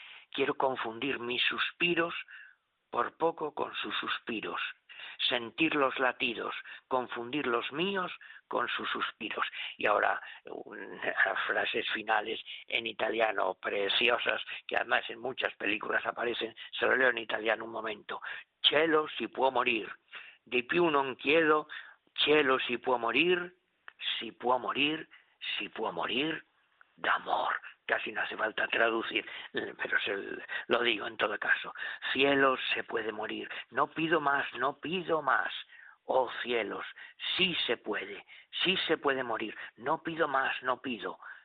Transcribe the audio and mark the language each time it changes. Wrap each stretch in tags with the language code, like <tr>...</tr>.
<es>Quiero confundir mis suspiros por poco con sus suspiros. Sentir los latidos, confundir los míos con sus suspiros. Y ahora frases finales en italiano preciosas, que además en muchas películas aparecen, se lo leo en italiano un momento.</es> <it>Cielo, si può morir, di più non chiedo, cielo, si può morir, si può morir, si può morir d'amor.</it> <es>Casi no hace falta traducir, pero se lo digo en todo caso. Cielos, se puede morir. No pido más, no pido más. Oh cielos, sí se puede morir. No pido más, no pido.</es>